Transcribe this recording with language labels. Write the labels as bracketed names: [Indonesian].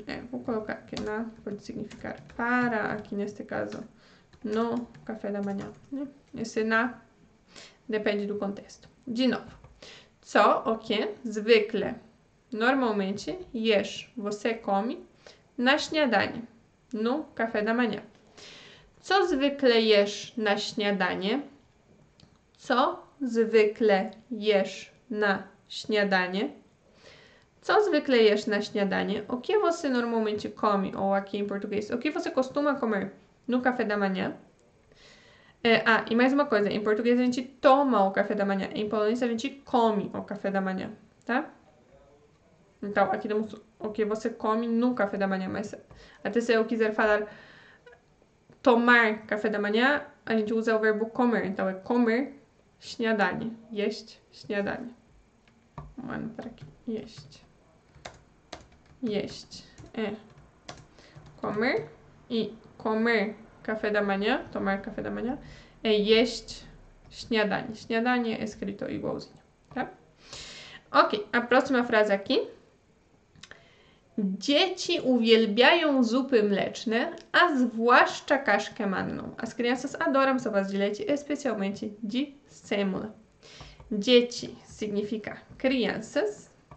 [Portuguese] Vou colocar aqui na, pode significar para, aqui neste caso, no café da manhã, né? Esse na depende do contexto. De novo. Só o que? Zwykle. Normalmente, jesz, você come na śniadanie, no café da manhã. [Polish] Co zwykle jesz na śniadanie? Co zwykle jesz na śniadanie? Co zwykle jesz na śniadanie? [Portuguese] O que você normalmente come? Ou aqui em português, o que você costuma comer no café da manhã? E mais uma coisa. Em português a gente toma o café da manhã. Em polonês a gente come o café da manhã, tá? Então, aqui temos o que você come no café da manhã. Mas até se eu quiser falar tomar café da manhã, a gente usa o verbo comer. Então, é comer śniadanie. [Polish] Jeść śniadanie. [Portuguese] Mano, para aqui. Jeść. Jeść é comer e comer café da manhã, tomar café da manhã, é [Polish] jeść śniadanie. [Portuguese] Śniadanie é escrito igualzinho, tá? Ok, a próxima frase aqui. [Polish] Dzieci uwielbiają zupy mleczne, a zwłaszcza kaszkę manną. [Portuguese] As crianças adoram sopas de leite, especialmente de sêmola. Dzieci significa crianças.